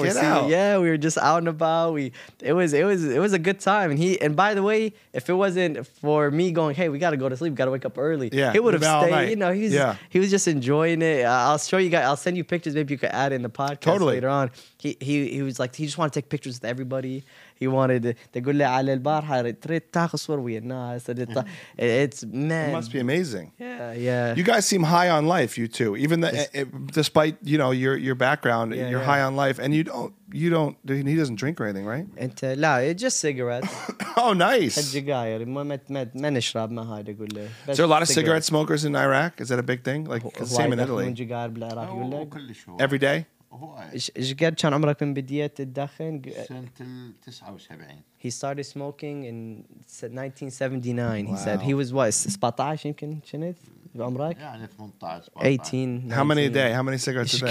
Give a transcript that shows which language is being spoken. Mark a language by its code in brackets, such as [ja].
[en] We were just out and about. It was a good time. And by the way, if it wasn't for me going, hey, we got to go to sleep, got to wake up early. Yeah. He would have stayed. You know, he was just enjoying it. I'll send you pictures. Maybe you could add in the podcast later on. he was like, he just wanted to take pictures with everybody. He wanted to say, [ar] على البارحة تريد تاخذ صور ويا الناس. [en] It's, man. It must be amazing. Yeah. You guys seem high on life, you two. Even the, despite, you know, your background, yeah, you're high on life. And he doesn't drink or anything, right? انت, no, it's just cigarettes. Oh, nice. [ar] الجقاير. ما نشرب ما هاي تقول له. [en] Is there a lot of cigarette smokers in Iraq? Is that a big thing? Like, same in Italy. [ar] الجقاير بالعراق يقول له. [en] Every day? [ar] إيش قد كان عمرك من بداية الدخن؟ سنة 79. [en] He started smoking in 1979. He wow. said he was what 17 [ar] يمكن شنيت عمرك؟ يعني 18. [en] 18. How many a day? How many cigarettes a day?